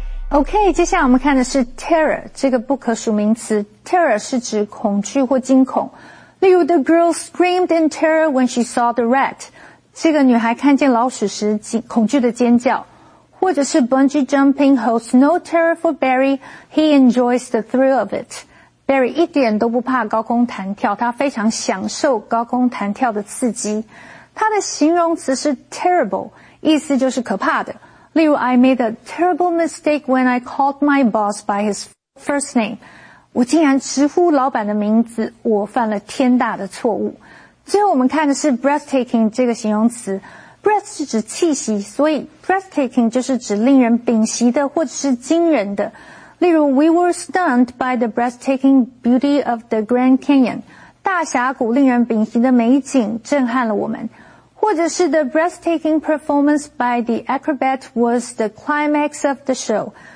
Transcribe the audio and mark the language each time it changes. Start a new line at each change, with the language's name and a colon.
Chinese: OK, 接下来我们看的是 terror, 这个不可数名词。 Terror 是指恐惧或惊恐。例如
English: ,the girl screamed in terror when she saw the rat.
Chinese: 这个女孩看见老鼠时恐惧的尖叫。或者是
English: bungee jumping holds no terror for Barry, he enjoys the thrill of it.
Chinese: Barry 一点都不怕高空弹跳，他非常享受高空弹跳的刺激。他的形容词是 terrible, 意思就是可怕的。例如
English: I made a terrible mistake when I called my boss by his first name.
Chinese: 我竟然直呼老板的名字，我犯了天大的错误。最后我们看的是 breathtaking 这个形容词。Breath 是指气息，所以 breathtaking 就是指令人屏息的或者是惊人的。例如
English: We were stunned by the breathtaking beauty of the Grand Canyon.
Chinese: 大峡谷令人屏息的美景震撼了我们。或者是
English: the breathtaking performance by the acrobat was the climax of the show.